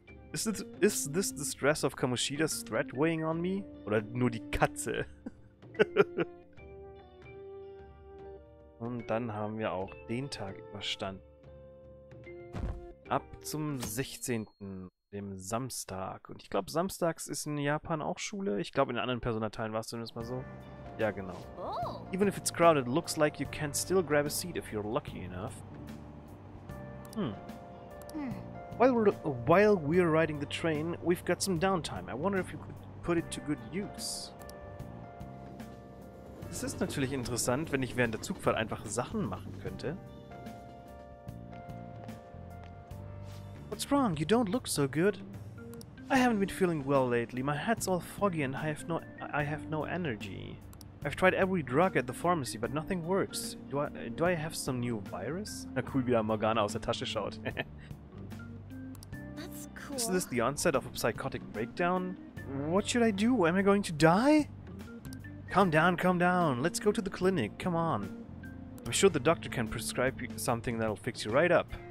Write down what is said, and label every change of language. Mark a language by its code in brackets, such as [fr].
[en] Is this the stress of Kamoshida's threat weighing on me? [de] Oder nur die Katze? Und dann haben wir auch den Tag überstanden. Ab zum 16. dem Samstag. Und ich glaube, samstags ist in Japan auch Schule. Ich glaube, in anderen Persona-Teilen war es zumindest mal so. Ja, genau. Oh. [en] Even if it's crowded, looks like you can still grab a seat if you're lucky enough. Hm. While we're riding the train, we've got some downtime. I wonder if you could put it to good use. [de] Es ist natürlich interessant, wenn ich während der Zugfahrt einfach Sachen machen könnte. [en] What's wrong? You don't look so good. I haven't been feeling well lately. My head's all foggy and I have no energy. I've tried every drug at the pharmacy, but nothing works. Do I have some new virus? [de] Na cool, wie Morgana aus der Tasche schaut. [en] That's cool. Isn't this the onset of a psychotic breakdown? What should I do? Am I going to die? Calm down, calm down. Let's go to the clinic. Come on. I'm sure the doctor can prescribe you something that'll fix you right up.